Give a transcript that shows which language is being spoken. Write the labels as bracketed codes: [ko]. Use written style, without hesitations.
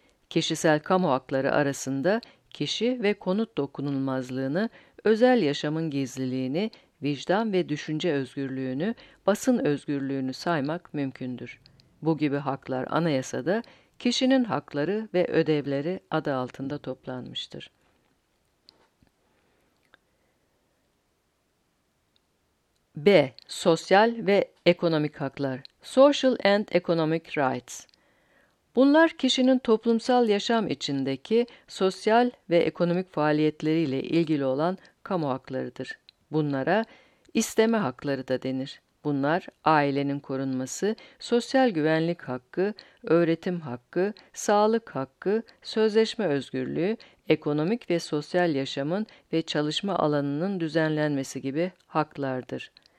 [tr] Kişisel kamu hakları arasında kişi ve konut dokunulmazlığını, özel yaşamın gizliliğini, vicdan ve düşünce özgürlüğünü, basın özgürlüğünü saymak mümkündür. Bu gibi haklar anayasada kişinin hakları ve ödevleri adı altında toplanmıştır. B. Sosyal ve ekonomik haklar. [en] Social and economic rights. [tr] Bunlar kişinin toplumsal yaşam içindeki sosyal ve ekonomik faaliyetleriyle ilgili olan kamu haklarıdır. Bunlara isteme hakları da denir. Bunlar ailenin korunması, sosyal güvenlik hakkı, öğretim hakkı, sağlık hakkı, sözleşme özgürlüğü, ekonomik ve sosyal yaşamın ve çalışma alanının düzenlenmesi gibi haklardır.